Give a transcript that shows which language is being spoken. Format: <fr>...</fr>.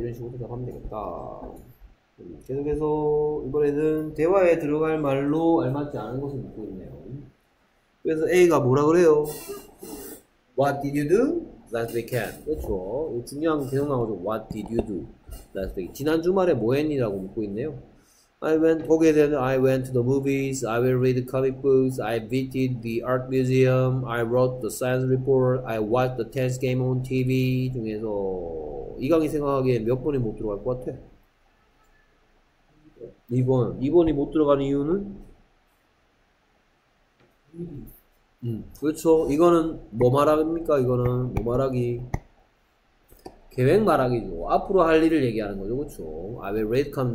<ko>이런 식으로 대답하면 되겠다. 계속해서, 이번에는 대화에 들어갈 말로 알맞지 않은 것을 묻고 있네요. 그래서 A가 뭐라 그래요?</ko> <en>What did you do last weekend?</en> <ko>그렇죠. 중요한 게 계속 나오죠.</ko> <en>What did you do last weekend?</en> <ko>지난 주말에 뭐 했니라고 묻고 있네요.</ko> <en>I went,</en> <ko>거기에 대한,</ko> <en>I went to the movies, I will read comic books, I visited the art museum, I wrote the science report, I watched the tennis game on TV</en> <ko>중에서 이강이 생각하기에 몇 번이 못 들어갈 것 같아? 2번이 못 들어가는 이유는? 그렇죠. 이거는 뭐 말합니까? 이거는 뭐 말하기? 계획 말하기죠. 앞으로 할 일을 얘기하는 거죠. 그렇죠.</ko> <en>I will read comic.</en>